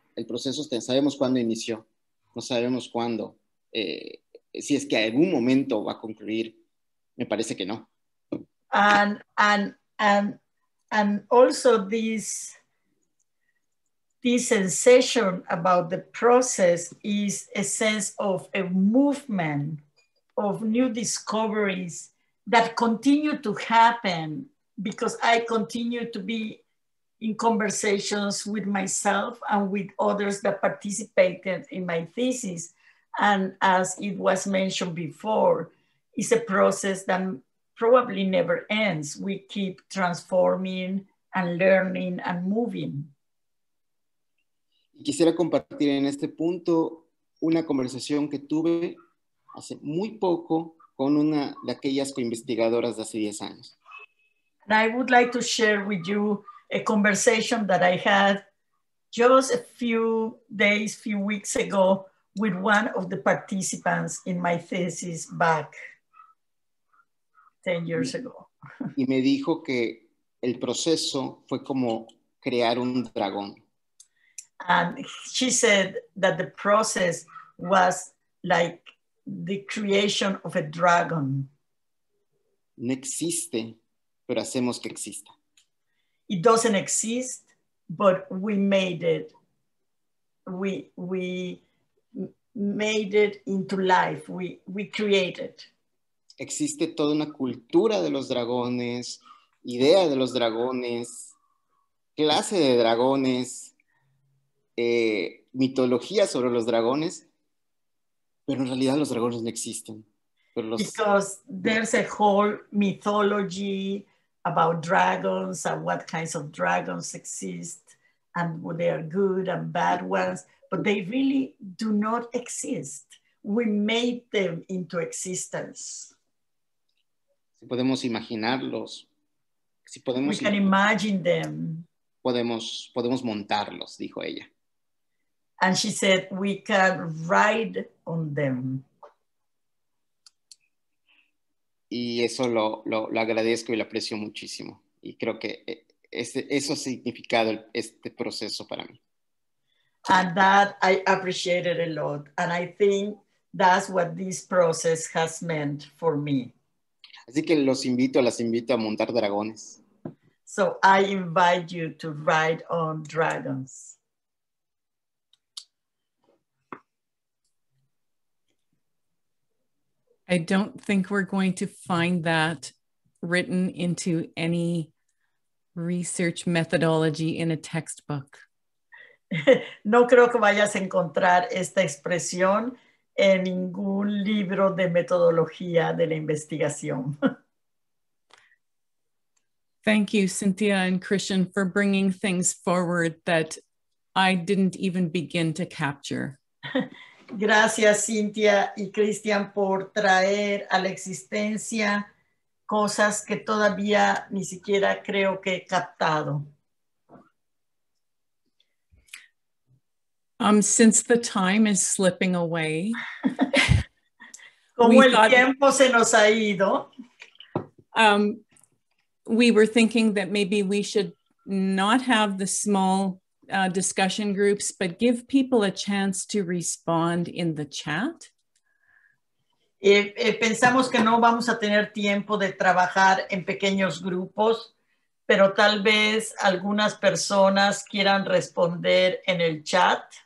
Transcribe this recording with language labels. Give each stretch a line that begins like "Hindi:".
Spanish: El proceso, sabemos cuándo inició, no sabemos cuándo, si es que algún momento va a concluir, me parece que no.
English: And also this sensation about the process is a sense of a movement of new discoveries that continue to happen because I continue to be in conversations with myself and with others that participated in my thesis. And as it was mentioned before, it's a process that probably never ends. We keep transforming and learning and moving.
Spanish: Quisiera compartir en este punto una conversación que tuve hace muy poco con una de aquellas co-investigadoras de hace 10 años.
English: And I would like to share with you a conversation that I had just a few weeks ago with one of the participants in my thesis back 10 years ago.
Spanish: Y me dijo que el proceso fue como crear un dragón.
English: And she said that the process was like the creation of a dragon.
Spanish: No existe, pero hacemos que exista.
English: It doesn't exist, but we made it. We made it into life. We created.
Spanish: Existe toda una cultura de los dragones, idea de los dragones, clase de dragones, mitología sobre los dragones, pero en realidad los dragones no existen.
English: Because there's a whole mythology about dragons and what kinds of dragons exist and whether they are good and bad ones, but they really do not exist. We made them into existence.
Spanish: Si podemos imaginarlos, si podemos,
English: we can imagine them.
Spanish: Podemos montarlos, dijo ella.
English: And she said, we can ride on them.
Spanish: Y eso lo agradezco y lo aprecio muchísimo. Y creo que eso ha significado este proceso para mí.
English: And that I appreciated a lot. And I think that's what this process has meant for me.
Spanish: Así que los invito, las invito a montar dragones.
English: So I invite you to ride on dragons. I don't think we're going to find that written into any research methodology in a textbook.
Spanish: No creo que vayas a encontrar esta expresión en ningún libro de metodología de la investigación.
English: Thank you, Cynthia and Christian, for bringing things forward that I didn't even begin to capture.
Spanish: Gracias, Cynthia y Christian, por traer a la existencia cosas que todavía ni siquiera creo que he captado.
English: Since the time is slipping away.
Spanish: Como el tiempo se nos ha ido.
English: We were thinking that maybe we should not have the small discussion groups, but give people a chance to respond in the chat.
Spanish: Pensamos que no vamos a tener tiempo de trabajar en pequeños grupos, pero tal vez algunas personas quieran responder en el chat.